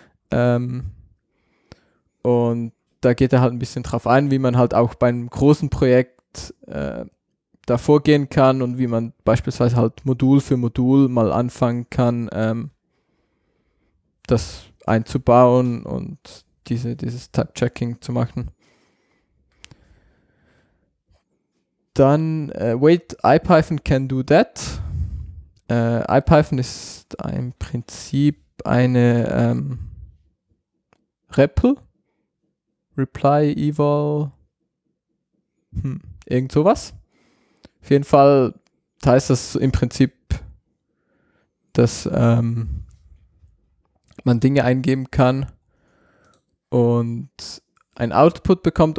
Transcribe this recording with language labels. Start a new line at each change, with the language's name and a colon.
German: Und da geht er halt ein bisschen drauf ein, wie man halt auch bei einem großen Projekt da vorgehen kann und wie man beispielsweise halt Modul für Modul mal anfangen kann, das einzubauen und dieses Type-Checking zu machen.
English: Dann, wait, IPython can do that.
German: IPython ist im Prinzip eine REPL, Reply Eval, irgend sowas. Auf jeden Fall heißt das im Prinzip, dass man Dinge eingeben kann und ein Output bekommt.